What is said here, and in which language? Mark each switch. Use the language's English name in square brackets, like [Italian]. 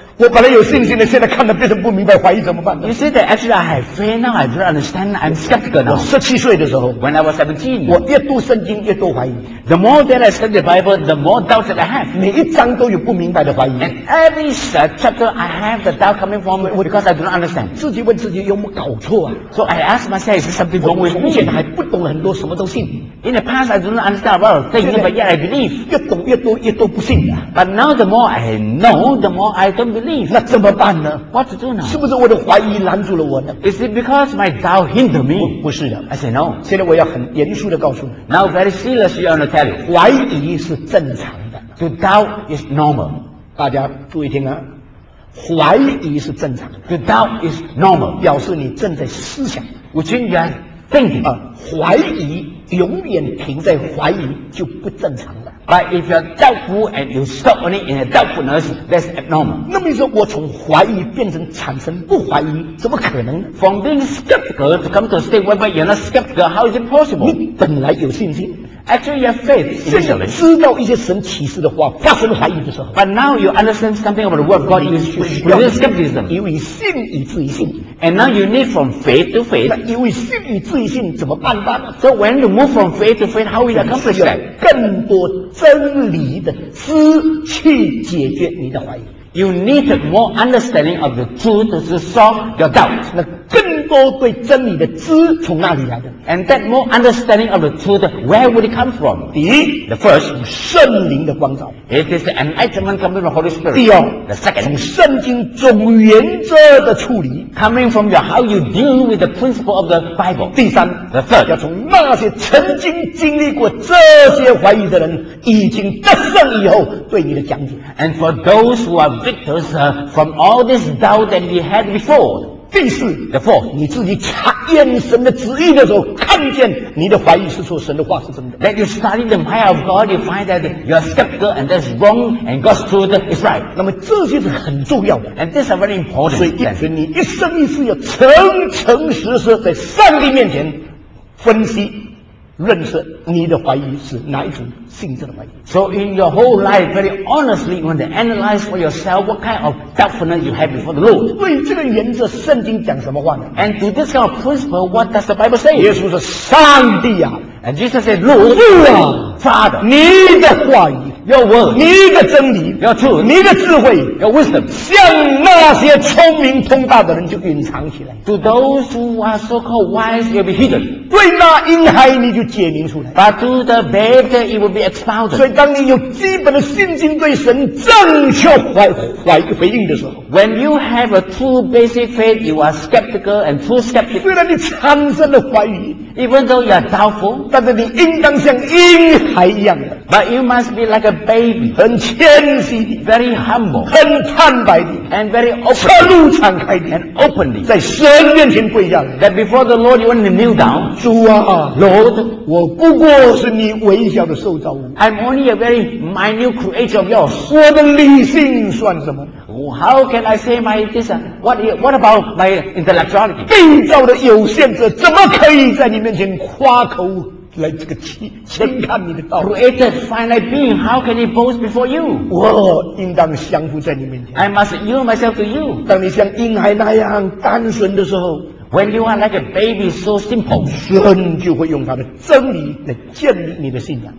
[Chinese] 我本来有信心的，现在看到变成不明白，怀疑怎么办呢 [English] ？You see that actually I have faith now. I don't understand. I'm skeptical now. [Chinese] 我十七岁的时候 [English] ，When I was 17, [Chinese] 我越读圣经越多怀疑。 [English] The more that I study the Bible, the more doubts that I have. [Chinese] 每一章都有不明白的怀疑。 [English] And every chapter I have the doubt coming from because I don't understand. [Chinese] 自己问自己有没有搞错啊 [English] ？So I ask myself, is something wrong with me? [Chinese] 我从前还不懂很多，什么都信。 [English] In the past, I don't understand well things, but yet I believe. [Chinese] 越懂越多，越多不信。 [English] But now, the more I know, the more I don't believe. [Chinese] 那怎么办呢 [English] ？What to do now? [Chinese] 是不是我的怀疑拦住了我呢 [English] ？Is it because my doubt hinder me? [Chinese] 不是的 [English] ，I say no. [Chinese] 现在我要很严肃的告诉你 [English] ，Now very seriously, I want to tell you. [Chinese] 怀疑是正常的 [English] ，To doubt is normal. [Chinese] 大家注意听啊。怀疑是正常的 [English] ，To doubt is normal. [Chinese] 表示你正在思想 [English] ，Which you are thinking. [Chinese] 怀疑。永远停在怀疑就不正常了。 [English] But if you're doubtful and you stop only in a doubtfulness, that's abnormal. [Chinese] 那么你说我从怀疑变成产生不怀疑，怎么可能 [English] ？From being skeptical to come to a state where you're not skeptical, how is it possible? [Chinese] 你本来有信心。 [English] Actually, your faith. [Chinese] 现在知道一些神启示的话，发生怀疑的时候。 [English] But now you understand something about the word of God. You need skepticism. [Chinese] 因为信以至于信。 [English] And now you need from faith to faith. [Chinese] 因为信以至于信，怎么办呢 [English] ？So when you move from faith to faith, how will you accomplish that? [Chinese] 更多真理的知去解决你的怀疑。 [English] You need more understanding of the truth to solve your doubt. [Chinese] 那更多对真理的知从哪里来的 [English] ？And that more understanding of the truth, where would it come from? [Chinese] 第一 [English] ，the first， [Chinese] 从圣灵的光照。 [English] It is an enlightenment coming from the Holy Spirit. [Chinese] 第二 [English] ，the second， [Chinese] 从圣经总原则的处理。 [English] Coming from your how you deal with the principle of the Bible. [Chinese] 第三 [English] ，the third， [Chinese] 要从那些曾经经历过这些怀疑的人已经得胜以后对你的讲解。 [English] And for those who are victors from all this doubt that we had before. [Chinese] 第四 [English] ，the fourth， [Chinese] 你自己查验神的旨意的时候，看见你的怀疑是错，神的话是真的。 [English] That you study the mind of God, you find that you are skeptical and that's wrong, and God's truth is right. [Chinese] 那么这些是很重要的 [English] ，and this are very important. [Chinese] 所以一直你一生一世要诚诚实实在上帝面前分析。认识你的怀疑是哪一种性质的怀疑 [English] So in your whole life, very honestly, you want to analyze for yourself what kind of doubtfulness you have before the Lord. [Chinese] 对这个原则，圣经讲什么话呢 [English] ？And to this kind of principle, what does the Bible say? [Chinese] 耶稣是上帝啊 [English] ，And Jesus said, Lord, you are Father. [Chinese] 你的话语 [English] ，Your word. [Chinese] 你的真理 [English] ，Your truth. [Chinese] 你的智慧 [English] ，Your wisdom. [Chinese] 向那些聪明通达的人就隐藏起来。 [English] To those who are so-called wise, you'll be hidden. [Chinese] 对那婴孩你就解明出来 [English] But to the baby it will be expounded [Chinese] 所以当你有基本的信心对神正确 回应的时候 [English] When you have a true basic faith You are skeptical and too skeptical [Chinese] 虽然你产生了怀疑 [English] Even though you are doubtful [Chinese] 但是你应当像婴孩一样的 [English] But you must be like a baby [Chinese] 很谦虚 [English] Very humble [Chinese] 很坦白的 [English] And very open [Chinese] 赤露敞开的 [English] And openly [Chinese] 在神面前跪下 [English] That before the Lord you want to kneel down [Chinese] 主啊 [English] ，Lord， [Chinese] 我不过是你微小的受造物。 [English] I'm only a very minute creature of yours。 [Chinese] 我的理性算什么 [English] ？How can I say my this? What about my intellectuality？ [Chinese] 被造的有限者，怎么可以在你面前夸口来这个轻看你的道 [English] ？Created finite being， how can he boast before you？ [Chinese] 我应当降服在你面前。 [English] I must yield myself to you。 [Chinese] 当你像婴孩那样单纯的时候。 [English] When you are like a baby, so simple, [Chinese] 神就会用他的真理来建立你的信仰。